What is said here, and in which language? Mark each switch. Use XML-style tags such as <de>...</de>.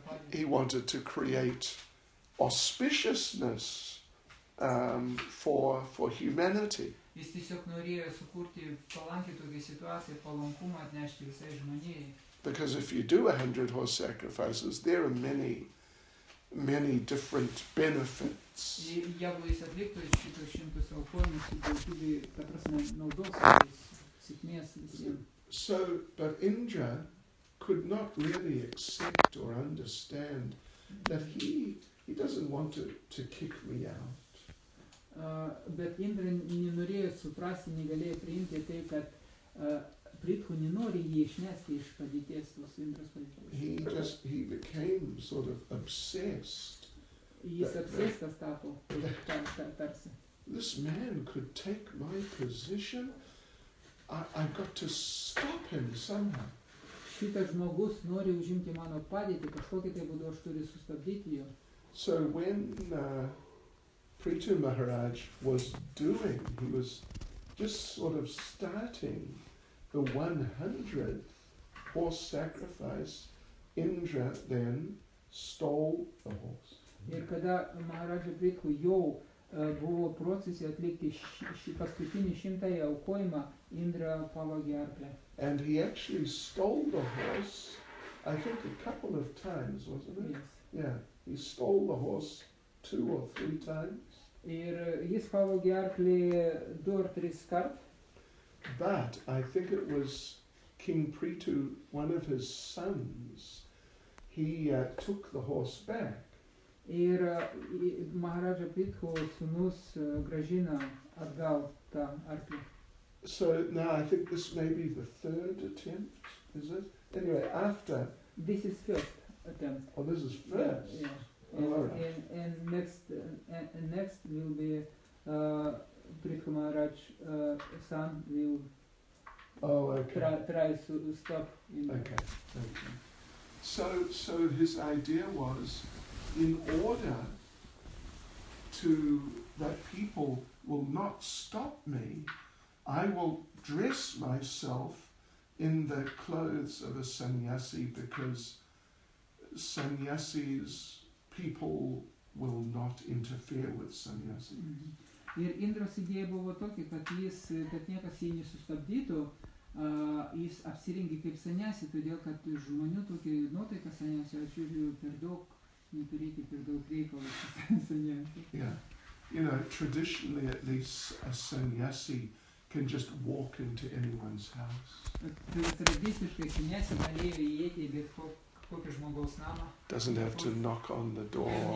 <en>He wanted to create auspiciousness for humanity.</en> <lt>Jis tiesiog norėjo sukurti palankį tokią situaciją, palankumą atnešti visai žmonijai.</lt> <en>Because if you do 100 horse sacrifices, there are many, many different benefits.</en> <lt>Jeigu jis atliktų šitą 100 aukojimus, daugybė, ta prasme, naudos, sėkmės visiems.</lt> <en>So, but Indra could not really accept or understand that he doesn't want to kick me out.</en> <lt>Bet Indra nenorėjo suprasti, negalėjo priimti tai, kad Prithu nenori jį išnesti iš padėties, tos Indras padėties.</lt> <en>He became sort of obsessed.</en> <lt>Jis apsėstas tapo, tarsi.</lt> <en>This man could take my position, I've got to stop him somehow.</en> <lt>Šitas žmogus nori užimti mano padėtį, kažkokį tai būdu aš turi sustabdyti jo.</lt> <en>So when Prithu Maharaj was doing, he was just sort of starting the 100th horse sacrifice, Indra then stole the horse.</en> <lt>Ir kada Maharaja Prithu jau buvo procese atlikti šį paskutinį 100 aukojimą, Indra pavogė arklį.</lt> <en>And he actually stole the horse, I think a couple of times, wasn't it? Yes. Yeah, he stole the horse 2 or 3 times.</en> <lt>Ir jis pavogė arklį 2</lt> <en>or</en> <lt>3 kart.</lt> <en>But I think it was King Prithu, one of his sons, he took the horse back.</en> <lt>Ir Maharaja Prithu sūnus grąžino atgal tą arklį.</lt> <en>So now I think this may be the 3rd attempt, is it? Anyway, after... This is 5th attempt. Oh, this is 1st? Yeah. And next will be Prithu Maharaj son will try to stop Indra. Okay, thank you. So his idea was, in order to that people will not stop me, I will dress myself in the clothes of a sannyasi, because sannyasis, people will not interfere with sannyasi.</en> <lt>Ir Indras idėja buvo tokia, kad jis, kad niekas jį nesustabdytų, jis apsirengė kaip sannyasi, todėl kad žmonių tokia nuotaika sannyasi, aš žiūrėjau per daug, neturėti per daug reikalų su sannyasi.</lt> <en>Yeah. You know, traditionally at least a sannyasi can just walk into anyone's house.</en> <lt>Tradiciškai sannyasi galėjo įeiti į bet kokį. Kokio žmogaus namą.</lt> <en>Doesn't have to knock on the door.</en>